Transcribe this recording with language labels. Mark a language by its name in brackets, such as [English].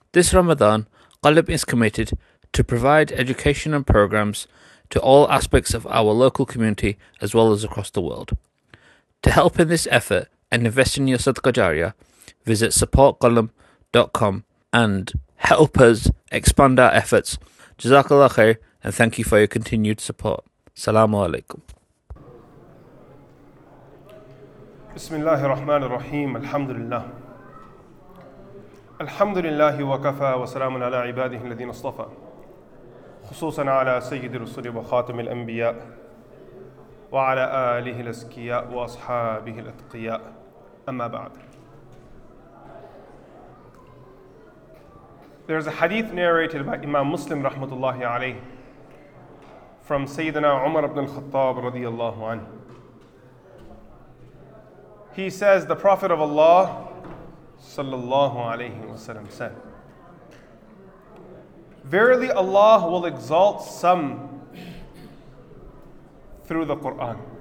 [English] This Ramadan, Qalb is committed to provide education and programs to all aspects of our local community as well as across the world. To help in this effort and invest in your Sadqa Jariyah, visit supportqalb.com and help us expand our efforts. Jazakallah khair and thank you for your continued support. Assalamu alaikum. [Arabic] بسم الله الرحمن الرحيم الحمد لله الحمد لله وكفى وسلام على عباده الذين اصطفى خصوصا على سيد الرسل وخاتم الأنبياء وعلى آله الأزكياء وأصحابه الأتقياء أما بعد. [English] There is a hadith narrated by Imam Muslim رحمة الله عليه from سيدنا عمر بن الخطاب رضي الله عنه. He says, the Prophet of Allah sallallahu alayhi wa sallam said, verily Allah will exalt some through the Quran.